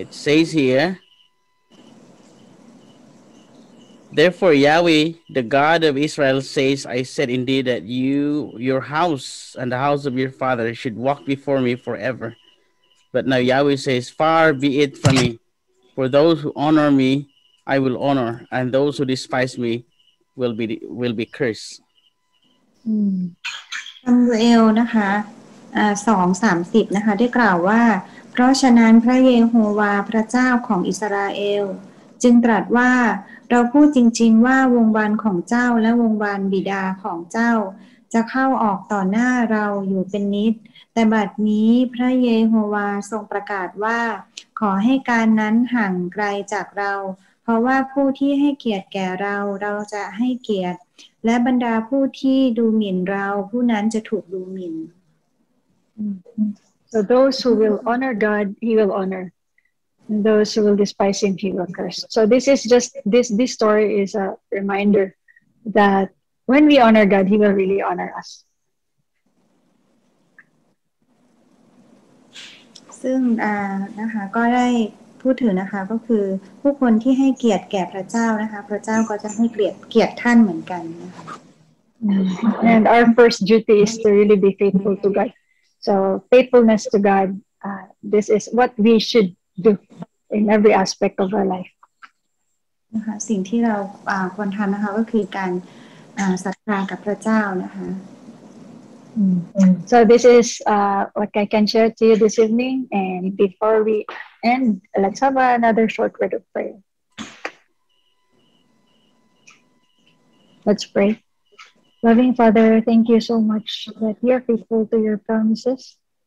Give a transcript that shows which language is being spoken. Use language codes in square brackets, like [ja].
[en] It says here, Therefore Yahweh, the God of Israel, says, I said indeed that you, your house, and the house of your father should walk before me forever. But now Yahweh says, Far be it from me, for those who honor me, I will honor, and those who despise me will be cursed. [th] Samuel, นะคะ2:30, นะคะ ได้กล่าวว่าเพราะฉะนั้นพระเยโฮวาห์พระเจ้าของอิสราเอลจึงตรัสว่าเราพูดจริงๆว่าวงวานของเจ้าและวงวานบิดาของเจ้า จะเข้าออกต่อหน้าเราอยู่เป็นนิดแต่บัดนี้พระเยโฮวาห์ทรงประกาศว่าขอให้การนั้นห่างไกลจากเราเพราะว่าผู้ที่ให้เกียรติแก่เราเราจะให้เกียรติและบรรดาผู้ที่ดูหมิ่นเราผู้นั้นจะถูกดูหมิ่น [en] So those who will honor God, he will honor. And those who will despise him, he will curse. So this is just, this story is a reminder that when we honor God, he will really honor us. [th] ซึ่งนะคะก็ได้พูดถึงนะคะก็คือผู้คนที่ให้เกียรติแก่พระเจ้านะคะพระเจ้าก็จะให้เกียรติท่านเหมือนกันนะคะ [en] And our first duty is to really be faithful to God. So faithfulness to God, this is what we should do in every aspect of our life. [th] นะคะสิ่งที่เราควรทำนะคะก็คือการศรัทธากับพระเจ้านะคะ [en] So this is what I can share to you this evening. And before we end, let's have another short word of prayer. Let's pray. Loving Father, thank you so much that you are faithful to your promises.